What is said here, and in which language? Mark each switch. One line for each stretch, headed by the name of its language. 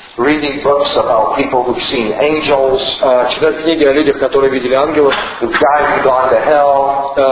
English: Reading books about people who've seen angels.
Russian: Читать книги о людях, которые видели ангелов.
English: Who've died and gone to hell.